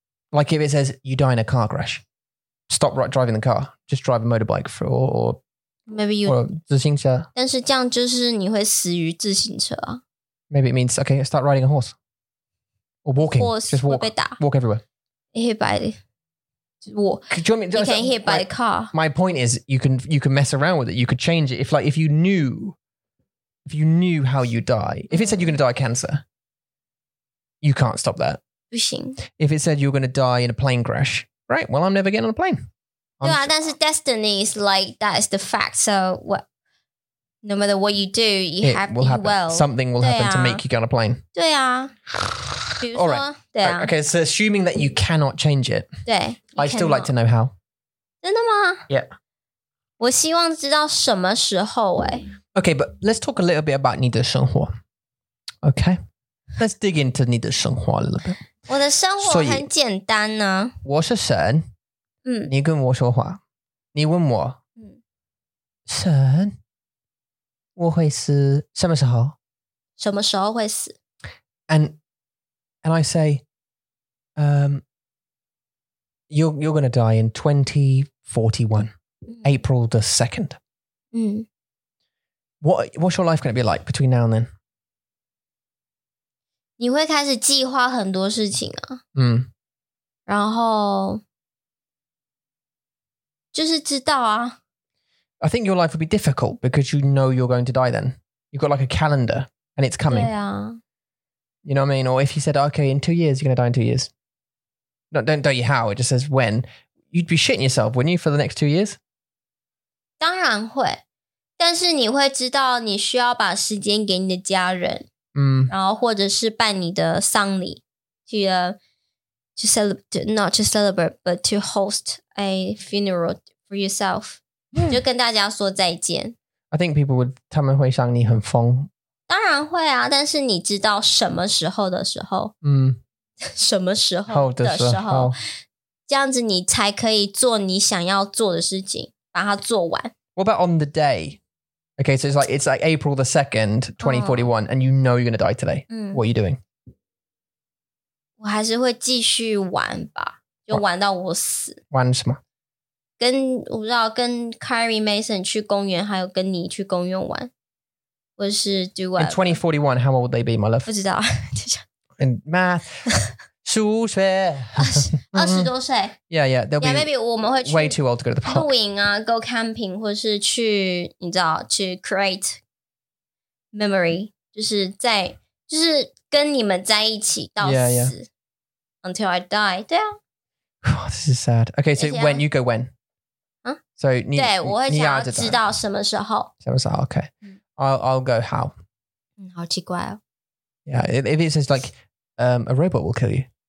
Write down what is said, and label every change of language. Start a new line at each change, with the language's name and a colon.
English: Like if it says you die in a car crash, stop driving the car. Just drive a motorbike for or maybe you
Chinese: 自行车。但是这样就是你会死于自行车啊。
English: Maybe it means okay, start riding a horse or walking. Horse just walk,
Chinese: 会被打。
English: Walk everywhere. Hit by You can hit by the car. My point is, you can mess around with it. You could change it if you knew how you die. If it said you're going to die of cancer. You can't stop that.
Chinese: 不行。
English: If it said you're going to die in a plane crash, right, well, I'm never getting on a plane.
Chinese: 对啊，但是
English: destiny is like, that is the fact. So, what, no matter what you do, you have to be well. Something will happen to make you get on a plane.
Chinese: 对啊。
English: All right.
Chinese: 对啊。
English: Okay, so assuming that you cannot change it.
Chinese: 对。
English: I'd still like to know how.
Chinese: 真的吗?
English: Yeah.
Chinese: 我希望知道什么时候诶。
English: Okay, but let's talk a little bit about
Chinese: 你的生活。
English: Okay. Let's dig into
Chinese: 你的生活
English: a little bit.
Chinese: 我的生活很简单呢。我是神。你跟我说话。你问我。神。我会死什么时候? 什么时候会死?
English: And I say, you're going to die in 2041, April the 2nd. What's your life going to be like between now and then?
Chinese: 你会开始计划很多事情啊。然后就是知道啊。
English: I think your life will be difficult because you know you're going to die then. You've got like a calendar and it's coming.
Chinese: 对啊。
English: You know what I mean? Or if you said, okay, in 2 years, you're going to die in 2 years. No, don't tell you how, it just says when. You'd be shitting yourself, wouldn't you, for the next 2 years?
Chinese: 当然会。但是你会知道你需要把时间给你的家人。然后或者是办你的丧礼
English: to celebrate, not to celebrate, but to host a funeral for yourself.
Chinese: 就跟大家说再见。
English: I think people would,
Chinese: 他们会想你很疯。当然会啊，但是你知道什么时候的时候。什么时候的时候。这样子你才可以做你想要做的事情，把它做完。
English: What about on the day? Okay, so it's like April the 2nd, 2041, and you know you're going to die today. What are you doing?
Chinese: 我还是会继续玩吧，就玩到我死。玩什么？跟，我不知道，跟 Kyrie Mason 去公园，还有跟你去公园玩，或是
English: do what? In 2041, how old would they be, my love?
Chinese: 不知道。
English: In math,
Chinese: 数学。 20多岁。
English: Yeah,
Chinese: maybe 我们会去
English: way too old to go to the park.
Chinese: 露营啊
English: go camping,
Chinese: 或是去你知道去
English: create memory,
Chinese: 就是跟你们在一起到死
English: until I die,
Chinese: 对啊。
English: Oh, this is sad. Okay, so when, you go when? So 你
Chinese: 对我会想要知道什么时候。什么时候
English: okay. I'll go how.
Chinese: 好奇怪哦。
English: Yeah, if it says like,a robot will kill you.